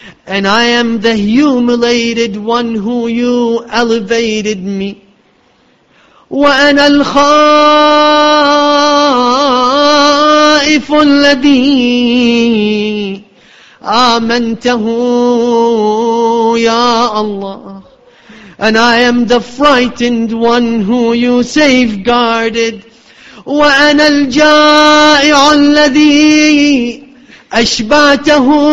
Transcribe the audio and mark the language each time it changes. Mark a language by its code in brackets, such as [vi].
[en] And I am the humiliated one who you elevated me. [ar] وأنا الخائف الذي آمنته يا الله. [en] And I am the frightened one who you safeguarded. [ar] وأنا الجائع الذي أشبعته.